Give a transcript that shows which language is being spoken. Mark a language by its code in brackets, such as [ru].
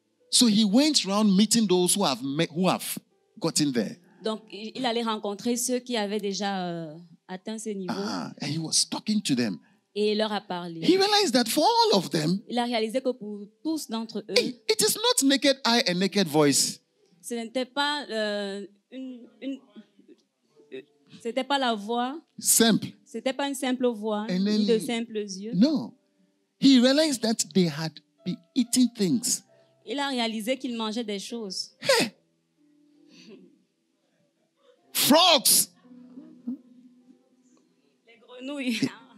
[en] So he went around meeting those who have got in there. [fr] Donc, il allait rencontrer ceux qui avaient déjà atteint ce niveau. [en] And he was talking to them. [fr] Et il leur a parlé. [en] He realized that for all of them, [fr] il a réalisé que pour tous d'entre eux, [en] it is not naked eye and naked voice. [fr] Ce n'était pas une c'était pas la voix. [en] Simple. [fr] C'était pas une simple voix, ni de simples yeux. [en] No. He realized that they had been eating things. [fr] Il a réalisé qu'ils mangeaient des choses. Hey. [en] Frogs. [fr] Les grenouilles.